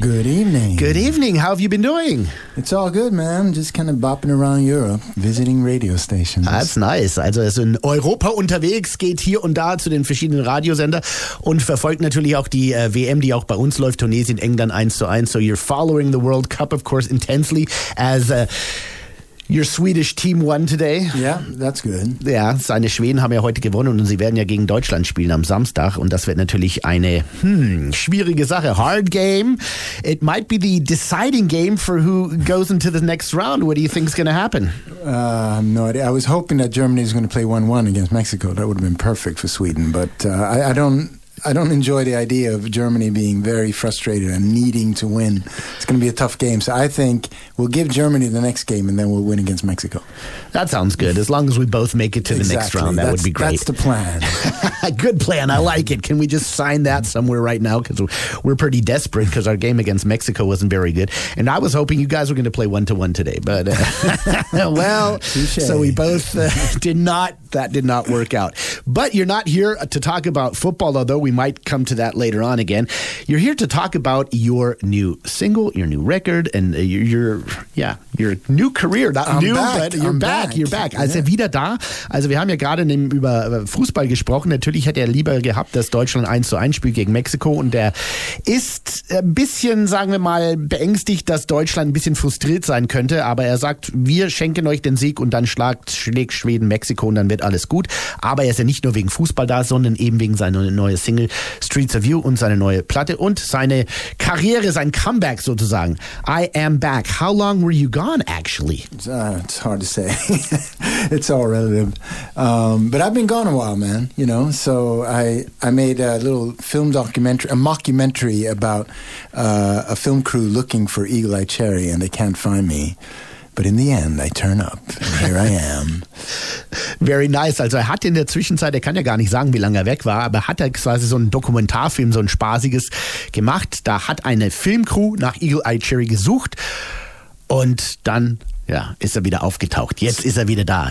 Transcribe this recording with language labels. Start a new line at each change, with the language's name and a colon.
English: Good evening. Good evening. How have you been doing? It's all good, man. Just kind of bopping around Europe, visiting radio stations. That's nice.
German: Also er ist in Europa unterwegs, geht hier und da zu den verschiedenen Radiosender und verfolgt natürlich auch die WM, die auch bei uns läuft, Tunesien, England 1-1.
English: So you're following the World Cup, of course, intensely as your Swedish team won today. Yeah, that's good.
German: Ja, seine Schweden haben ja heute gewonnen und sie werden ja gegen Deutschland spielen am Samstag. Und das wird natürlich eine schwierige Sache. Hard game.
English: It might be the deciding game for who goes into the next round. What do you think is going to happen? No idea. I was hoping that Germany is going to play 1-1 against Mexico. That would have been perfect for Sweden. But I don't enjoy the idea of Germany being very frustrated and needing to win. It's going to be a tough game. So I think we'll give Germany the next game and then we'll win against Mexico. That sounds good. As long as we both make it to the next round, that would be great. That's the plan. Good plan. I like it. Can we just sign that somewhere right now? Because we're pretty desperate because our game against Mexico wasn't very good. And I was hoping you guys were going to play 1-1 today. But, well, touché. So we both did not. That did not work out. But you're not here to talk about football, although we might come to that later on again. You're here to talk about your new single, your new record, and your new career. Not I'm new, back. But you're back. Back. You're back. Also yeah. Wieder da.
German: Also wir haben ja gerade über Fußball gesprochen. Natürlich hätte er lieber gehabt, dass Deutschland 1-1 spielt gegen Mexiko. Und der ist ein bisschen, sagen wir mal, beängstigt, dass Deutschland ein bisschen frustriert sein könnte. Aber er sagt, wir schenken euch den Sieg und dann schlägt Schweden Mexiko und dann wird alles gut. Aber er ist ja nicht nur wegen Fußball da, sondern eben wegen seiner neuen Single Streets of You und seine neue Platte und seine Karriere, sein Comeback sozusagen. I am back.
English: How long were you gone, actually? It's hard to say. It's all relative. But I've been gone a while, man, you know. So I made a little film documentary, a mockumentary about a film crew looking for Eagle Eye Cherry and they can't find me. But in the end, I turn up. And here I am. Very nice.
German: Also er hat in der Zwischenzeit, er kann ja gar nicht sagen, wie lange er weg war, aber hat er quasi so einen Dokumentarfilm, so ein spaßiges gemacht. Da hat eine Filmcrew nach Eagle Eye Cherry gesucht und dann ja, ist er wieder aufgetaucht. Jetzt ist er wieder da.